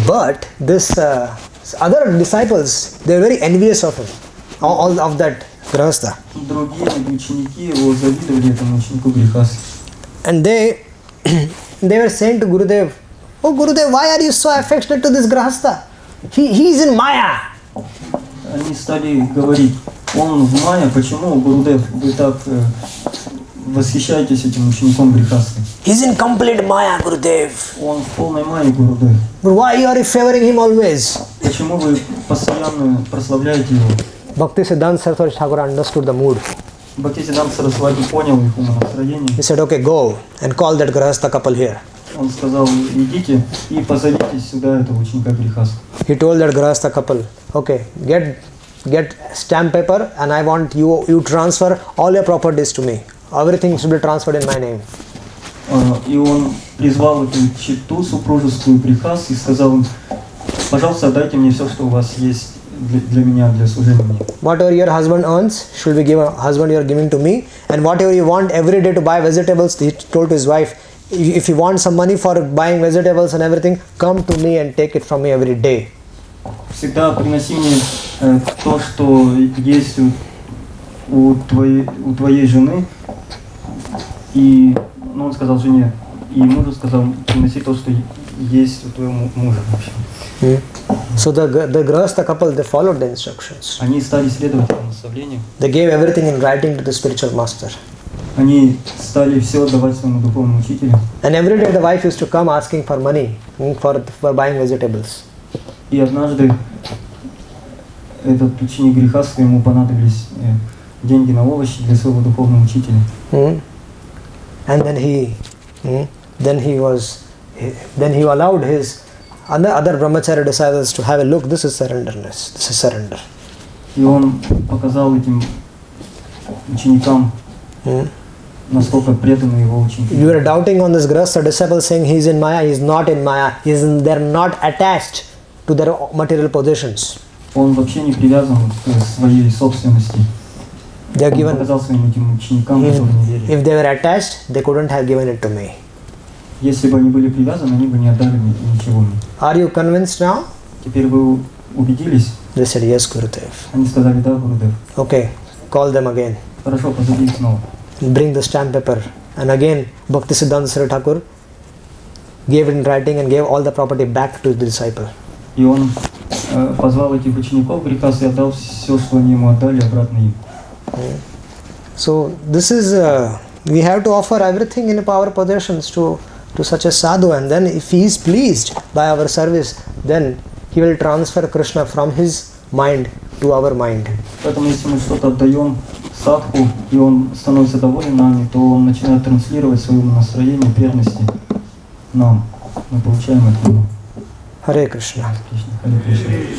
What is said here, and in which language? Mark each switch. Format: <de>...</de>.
<en>But this other disciples, they were very envious of him. All of that grihastha.</en> <ru>Другие ученики его завидовали этому ученику грихастха.</ru> <en>And they were saying to Gurudev, "Oh Gurudev, why are you so affectionate to this grihastha? He is in Maya."</en> <ru>Они стали говорить, он в Майя, почему, Гурудев, вы так восхищаетесь этим учеником грихастха?</ru> <en>He's in complete Maya, Gurudev.</en> <ru>Он в полной Майе, Гурудев.</ru> <en>But why you are favoring him always?</en> <ru>Почему вы постоянно прославляете его?</ru> <en>Bhaktisiddhanta Saraswati Thakur understood the mood.</en> <ru>Bhaktisiddhanta Saraswati понял их настроение.</ru> <en>He said, "Okay, go and call that grihastha couple here."</en> <ru>Он сказал, идите и позовите сюда этого ученика грихастха.</ru> <en>He told that grihastha couple, "Okay, get stamp paper and I want you transfer all your properties to me. Everything should be transferred in my name."</en> <ru>И он призвал эту читу супружескую грихастху и сказал, "Пожалуйста, отдайте мне все, что у вас есть для меня, для служения мне."</ru> <en>Whatever your husband earns should be given, husband you are giving to me. And whatever you want every day to buy vegetables, he told to his wife, "If you want some money for buying vegetables and everything, come to me and take it from me every day."</en> <ru>Всегда приноси мне то, что есть у твоей жены. И он сказал жене, и мужу сказал, приноси то, что есть у твоего мужа вообще.</ru> <en>So the grihastha couple, they followed the instructions.</en> <ru>Они стали следовать этому наставлению.</ru> <en>They gave everything in writing to the spiritual master.</en> <ru>Они стали все отдавать своему духовному учителю.</ru> <en>And every day the wife used to come asking for money for buying vegetables.</en> <ru>И однажды этот ученик грихастха, ему понадобились деньги на овощи для своего духовного учителя.</ru> <en>And then he allowed his other brahmachari disciples to have a look. This is surrenderness. This is surrender.</en> <ru>И он показал этим ученикам. Насколько преданы его ученики.</ru> <en>You are doubting on this grihastha disciple saying he is in Maya, he is not in Maya. They are not attached to their material possessions.</en> <ru>Он вообще не привязан к своей собственности.</ru> <en>They are given.</en> <ru>Он показал своим этим ученикам, которые не верят.</ru> <en>If they were attached, they couldn't have given it to me.</en> <ru>Если бы они были привязаны, они бы не отдали мне ничего.</ru> <en>Are you convinced now?</en> <ru>Теперь вы убедились?</ru> <en>They said, "Yes, Gurudev."</en> <ru>Они сказали, да, Гурудев.</ru> <en>Okay, call them again.</en> <ru>Хорошо, позови их снова.</ru> <en>Bring the stamp paper, and again Bhaktisiddhanta Saraswati Thakur gave it in writing and gave all the property back to the disciple.</en> <ru>И он позвал этих учеников грихастху и отдал все, что они ему отдали, обратно им.</ru> <en>So this is we have to offer everything in our possessions to such a sadhu, and then if he is pleased by our service, then he will transfer Krishna from his mind to our mind.</en> <ru>Поэтому если мы что-то отдаем садху, и он становится доволен нами, то он начинает транслировать свое настроение преданности нам. Мы получаем это. Харе Кришна. Харе Кришна.</ru>